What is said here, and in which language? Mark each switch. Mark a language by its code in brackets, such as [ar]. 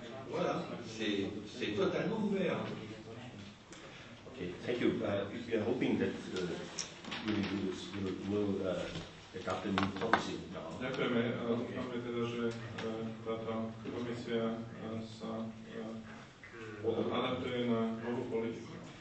[fr] Voilà, c'est totalement ouvert. [en] Ok, thank you. We are hoping that we will adopt a new policy. [sk] Ďakujeme. Dúfame teda, že táto komisia sa adaptuje na novú politiku.